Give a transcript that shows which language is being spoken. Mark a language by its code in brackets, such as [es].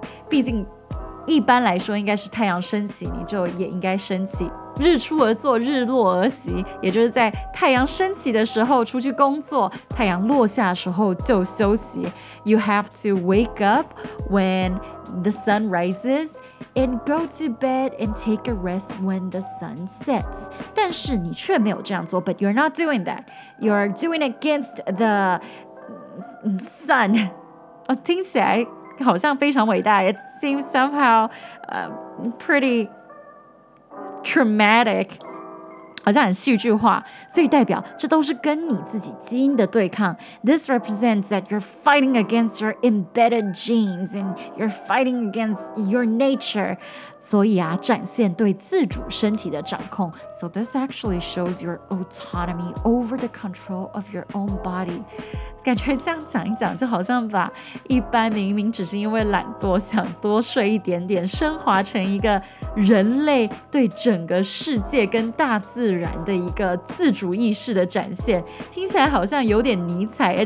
[zh] 毕竟一般来说应该是太阳升起你就也应该升起，日出而作日落而息，也就是在太阳升起的时候出去工作，太阳落下的时候就休息。 [en] You have to wake up when the sun risesAnd go to bed and take a rest when the sun sets. [zh] 但是你却没有这样做， [en] but you're not doing that. You're doing against the sun. [zh] 哦，听起来好像非常伟大。 [en] It seems somehow pretty traumatic. [zh] 好像很戏剧化，所以代表这都是跟你自己基因的对抗。 [en] This represents that you're fighting against your embedded genes and you're fighting against your nature. [zh] 所以啊，展现对自主身体的掌控。 [en] So this actually shows your autonomy over the control of your own body. [zh] 感觉这样讲一讲就好像把一般明明只是因为懒惰想多睡一点点升华成一个人类对整个世界跟大自自然的一个自主意识的展现，听起来好像有点尼采。